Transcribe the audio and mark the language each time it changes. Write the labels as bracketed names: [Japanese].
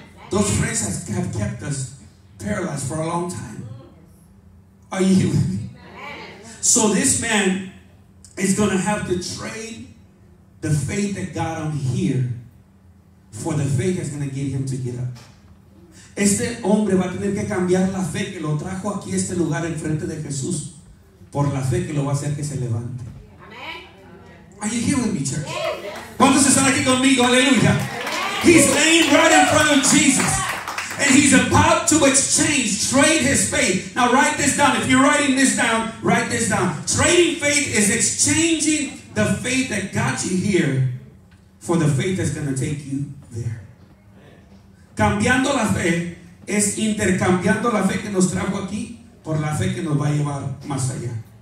[English] Those friends have kept us paralyzed for a long time. Are you with me? So this man is going to have to trade the faith that got him here for the faith that's going to get him to get up. [Spanish] Este hombre va a tener que cambiar la fe que lo trajo aquí a este lugar en frente de Jesús por la fe que lo va a hacer que se levante. [English] Are you here with me, church? [Spanish] ¿Cuántos están aquí conmigo? [English] Aleluya. He's laying right in front of Jesus. And he's about to exchange, trade his faith. Now write this down. If you're writing this down, write this down. Trading faith is exchanging the faith that got you here for the faith that's going to take you there. [Spanish] Cambiando la fe es intercambiando la fe que nos trajo aquí por la fe que nos va a llevar más allá.